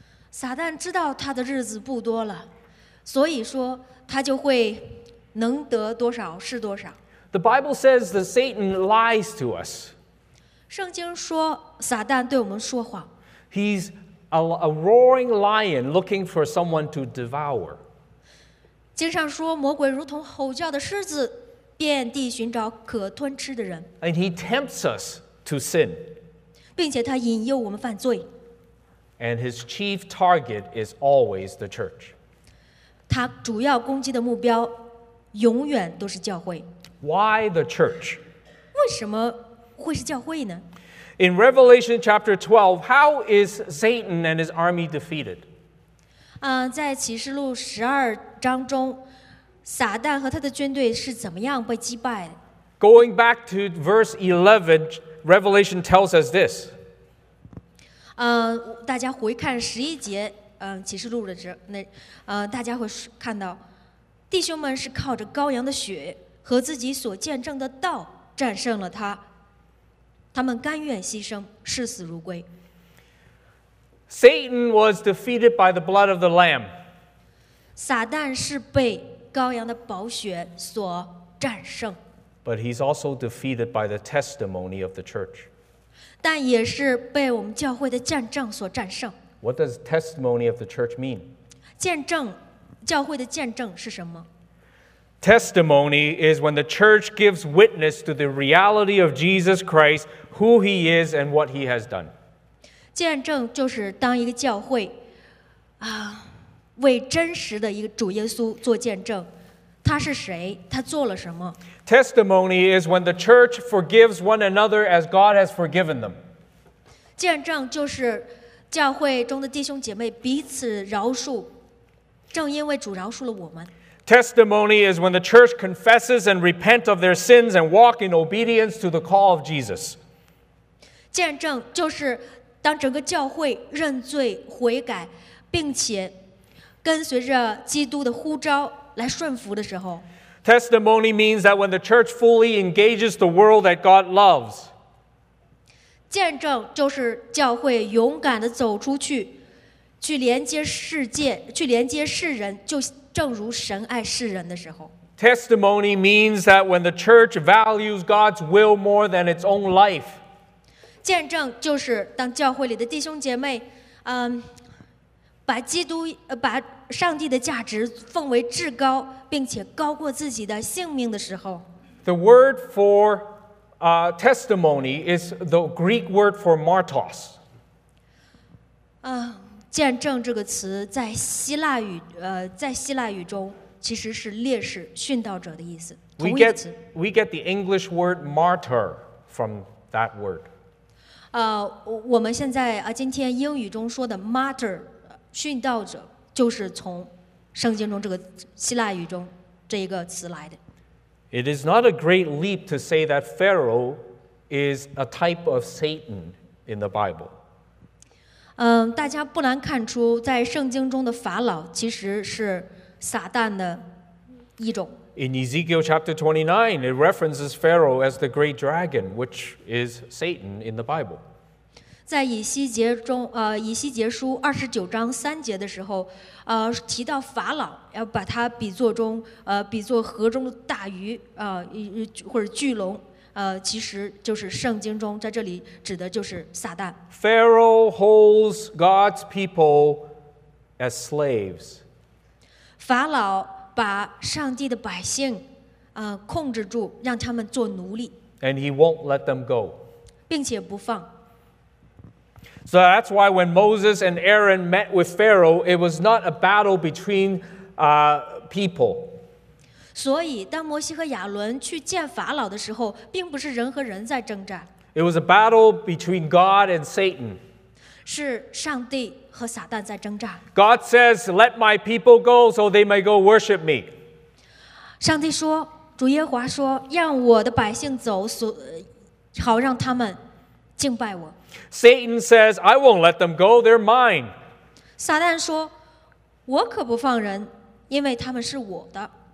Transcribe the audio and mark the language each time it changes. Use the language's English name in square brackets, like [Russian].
[Chinese] 撒旦知道他的日子不多了，所以说他就会能得多少是多少。 [English] The Bible says that Satan lies to us. [Chinese] 圣经说撒旦对我们说谎。 [English] He's a roaring lion looking for someone to devour. [Chinese] 经上说魔鬼如同吼叫的狮子，遍地寻找可吞吃的人。 [English] And he tempts us to sin. [Chinese] 并且他引诱我们犯罪。 [English] And his chief target is always the church. [Chinese] 他主要攻击的目标永远都是教会。 [English] Why the church? [Chinese] 为什么会是教会呢？ [English] In Revelation chapter 12, how is Satan and his army defeated? [Chinese] 在启示录十二章中，撒旦和他的军队是怎么样被击败的？ [English] Going back to verse 11, Revelation tells us this. [Chinese] 大家回看十一节，启示录的这那，大家会看到，弟兄们是靠着羔羊的血和自己所见证的道战胜了他，他们甘愿牺牲，视死如归。 [English] Satan was defeated by the blood of the Lamb. [Chinese] 撒旦是被羔羊的宝血所战胜。 [English] But he's also defeated by the testimony of the church. [Chinese] 但也是被我们教会的见证所战胜。 [English] What does testimony of the church mean? [Chinese] 见证，教会的见证是什么？ [English] Testimony is when the church gives witness to the reality of Jesus Christ, who he is and what he has done. [Chinese] 见证就是当一个教会为真实的一个主耶稣做见证，他是谁，他做了什么。 [English] Testimony is when the church forgives one another as God has forgiven them. [Chinese] 见证就是教会中的弟兄姐妹彼此饶恕，正因为主饶恕了我们。 [English] Testimony is when the church confesses and repent of their sins and walk in obedience to the call of Jesus. [Chinese] 见证就是当整个教会认罪悔改，并且跟随着基督的呼召来顺服的时候。 [English] Testimony means that when the church fully engages the world that God loves. [Chinese] 见证就是教会勇敢地走出去，去连接世界，去连接世人，就正如神爱世人的时候。 [English] Testimony means that when the church values God's will more than its own life. [Chinese] 见证就是当教会里的弟兄姐妹，把基督，把上帝的价值奉为至高，并且高过自己的性命的时候。 [English] The word for testimony is the Greek word for martos. [Chinese] 见证这个词在希腊语，在希腊语中其实是烈士、殉道者的意思，同一个词。 [English] We get the English word martyr from that word. [Chinese] 我们现在今天英语中说的 martyr， 殉道者，就是从圣经中这个希腊语中这一个词来的。 [English] It is not a great leap to say that Pharaoh is a type of Satan in the Bible. [Chinese] 大家不难看出，在圣经中的法老其实是撒旦的一种。 [English] In Ezekiel chapter 29, it references Pharaoh as the great dragon, which is Satan in the Bible. [Chinese] 在以西结中，以西结书29:3的时候，提到法老，要把他比作中，比作河中的大鱼，或者巨龙。其实就是圣经中在这里指的就是撒旦。 [English] Pharaoh holds God's people as slaves. [Chinese] 法老把上帝的百姓，控制住，让他们做奴隶。 [English] And he won't let them go. [Chinese] 并且不放。 [English] So that's why when Moses and Aaron met with Pharaoh, it was not a battle between people. [Chinese] 所以当摩西和亚伦去见法老的时候，并不是人和人在征战。 [English] It was a battle between God and Satan. [Chinese] 是上帝和撒旦在征战。 [English] God says, let my people go so they may go worship me. [Chinese] 上帝说，主耶和华说，让我的百姓走，好让他们敬拜我。 [English] Satan says, I won't let them go, they're mine. [Chinese] 撒旦说，我可不放人，因为他们是我的。